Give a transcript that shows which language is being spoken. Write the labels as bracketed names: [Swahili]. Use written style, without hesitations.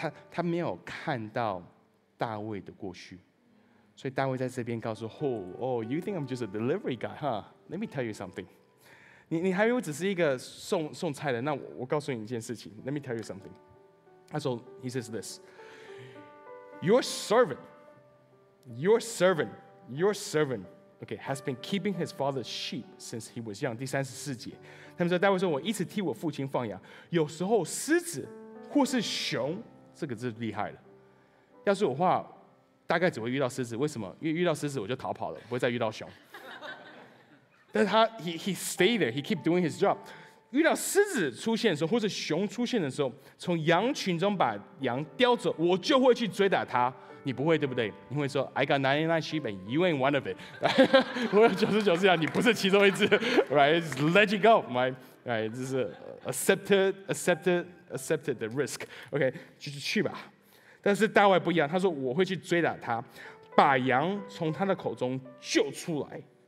[Chinese] 他没有看到大卫的过去，所以大卫在这边告诉 [English] you think I'm just a delivery guy, huh? Let me tell you something. [Chinese] 你还以为我只是一个送菜的？那 我告诉你一件事情。 [English] Let me tell you something. [Chinese] 他说 [English] ，He says this. Your servant, okay, has been keeping his father's sheep since he was young. [Chinese] 第三十四节，他们说大卫说，我一直替我父亲放羊，有时候狮子。或是熊，这个是厉害的。要是我话，大概只会遇到狮子。为什么？因为遇到狮子我就逃跑了，不会再遇到熊。但是他 [English] he stayed there, he keep doing his job. [Chinese] 遇到狮子出现的时候，或是熊出现的时候，从羊群中把羊叼走，我就会去追打他。你不会对不对？你会说 [English] I got 99 sheep and you ain't one of it. [Chinese] 我有99只羊，你不是其中一只。 [English] Right, let it go, my right, [Chinese] 这是 [English] accepted. Accepted the risk, OK, [Chinese] 就去吧。但是大卫不一样，他说我会去追打他，把羊从他的口中救出来。